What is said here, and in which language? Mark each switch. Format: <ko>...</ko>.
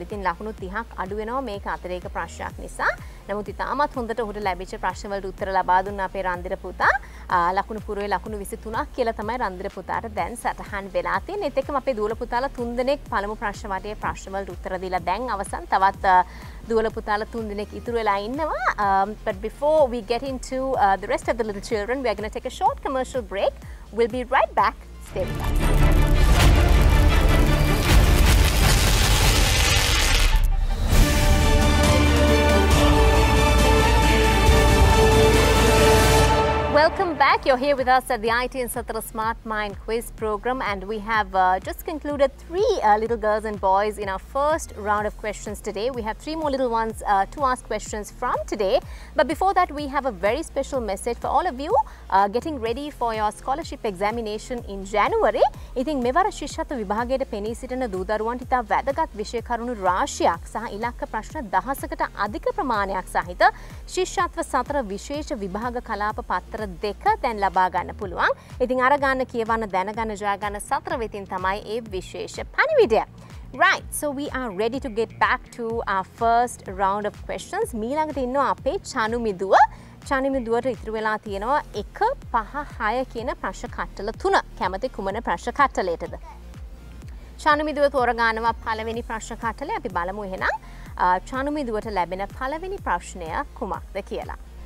<si>ඉතින් ලකුණු 30ක් අඩු වෙනවා මේක අතරේක ප්‍රශ්නයක් නිසා. නමුත් ඉතාමත් හොඳට ඔහුට ලැබිච්ච ප්‍රශ්නවලට උත්තර ලබා දුන්න අපේ රන්දිර පුතා ලකුණු පුරුවේ ලකුණු 23ක් කියලා තමයි රන්දිර පුතාට දැන් සටහන් වෙලා තියෙන. ඒත් එක්කම අපේ දුවල පුතාලා 3 දෙනෙක් පළමු ප්‍රශ්න වටේ ප්‍රශ්නවලට උත්තර දීලා දැන් අවසන්. තවත් දුවල පුතාලා 3 දෙනෙක් ඉතුරු වෙලා ඉන්නවා.</si> <en>But before we get into the rest of the little children, we are going to take a short commercial break. We'll be right back. Stay with us. Welcome back. You're here with us at the ITN Smart Mind quiz program, and we have just concluded 3 little girls and boys in our first round of questions today. We have 3 more little ones to ask questions from today. But before that, we have a very special message for all of you getting ready for your scholarship examination in January.</en> <si>ඉතින් මෙවර ශිෂ්‍යත්ව විභාගයේ පෙනී සිටින දූදරුවන්ට ඉතා වැදගත් විෂය කරුණු රාශියක් සහ ඉලක්ක ප්‍රශ්න දහසකට අධික ප්‍රමාණයක් සහිත ශිෂ්‍යත්ව 4 විශේෂ විභාග කලාප පත්‍ර 2 දැන් ලබා ගන්න පුළුවන්. ඉතින් අර ගන්න කියවන්න දැනගන්න ජයගන්න 4 වෙතින් තමයි ඒ විශේෂ පණිවිඩය.</si> <en>Right, so we are ready to get back to our first round of questions.</en> <si>මේ ළඟට ඉන්නවා අපේ චනු මිදුව. චනු මිදුවට ඉතුරු වෙලා තියෙනවා 1 5 6 කියන ප්‍රශ්න කට්ටල 3. කැමති කුමන ප්‍රශ්න කට්ටලයටද? චනු මිදුව තෝරගන්නවා පළවෙනි ප්‍රශ්න කට්ටලේ. අපි බලමු එහෙනම් චනු මිදුවට ලැබෙන පළවෙනි ප්‍රශ්නය කුමක්ද කියලා.</si>